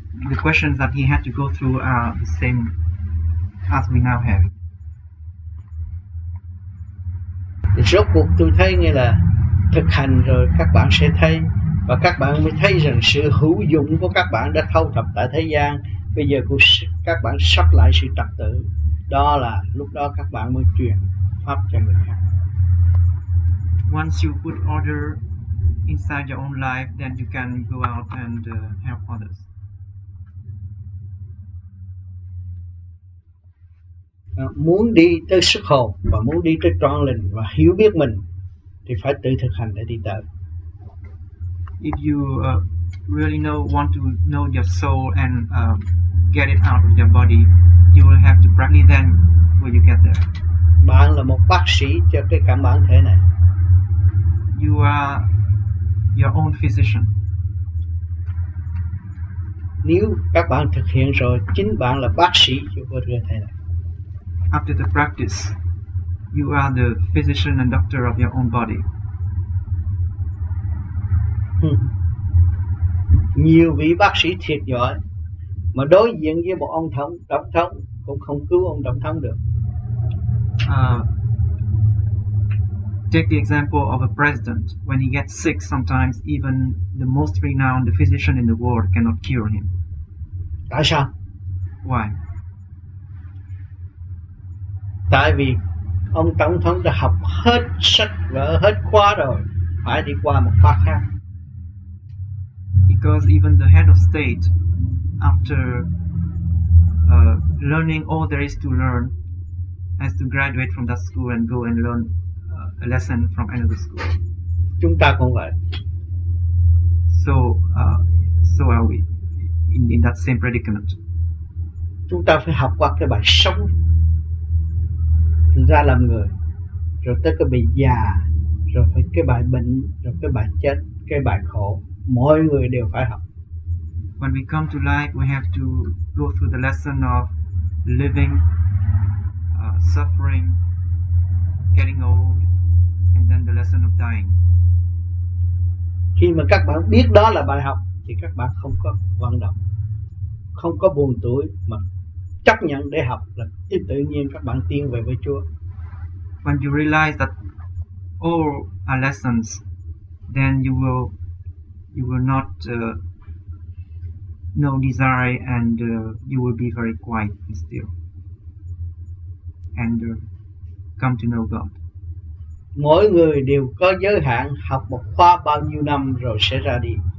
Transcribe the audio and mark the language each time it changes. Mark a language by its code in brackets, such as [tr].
[en] The questions that he had to go through are the same as we now have. [vi] Rốt cuộc tôi thấy nghĩa là thực hành rồi các bạn sẽ thấy, và các bạn mới thấy rằng sự hữu dụng của các bạn đã thâu thập tại thế gian. Bây giờ các bạn sắp lại sự trật tự, đó là lúc đó các bạn mới truyền pháp cho người khác. [en] Once you put order inside your own life, then you can go out and help others. [vi] Muốn đi tới sức hồn và muốn đi tới trọn lành và hiểu biết mình thì phải tự thực hành để đi tới. [en] If you really want to know your soul and get it out of your body, you will have to practice, then will you get there. [vi] Bạn là một bác sĩ cho cái cảm bản thể này. [en] You are your own physician. [vi] Nếu các bạn thực hiện rồi, chính bạn là bác sĩ cho cơ thể này. [en] After the practice, you are the physician and doctor of your own body. [vi] Nhiều vị bác sĩ thiệt giỏi mà đối diện với một ông thống, tổng thống cũng không cứu ông tổng thống được. [en] Take the example of a president. When he gets sick, sometimes even the most renowned physician in the world cannot cure him. [vi] Tại sao? [en] Why? [vi] Tại vì ông tổng thống đã học hết sách vở, hết khóa rồi, phải đi qua một khóa khác. [en] Because even the head of state, after learning all there is to learn, has to graduate from that school and go and learn a lesson from another school. [vi] Chúng ta cũng vậy. [en] So are we in that same predicament. [vi] chúng ta phải học qua cái bài sống ra làm người, rồi tới cái bài già, rồi phải cái bài bệnh, rồi cái bài chết, cái bài khổ, mỗi người đều phải học. [en] When we come to life, we have to go through the lesson of living, suffering, getting old, and then the lesson of dying. [vi] Khi mà các bạn biết đó là bài học thì các bạn không có vận động, không có buồn tuổi, mà chấp nhận để học là tự nhiên các bạn tiến về với Chúa. [en] When you realize that all are lessons, then you will not no desire, and you will be very quiet and still, and come to know God. [vi] Mỗi người đều có giới hạn, học một khóa bao nhiêu năm rồi sẽ ra đi.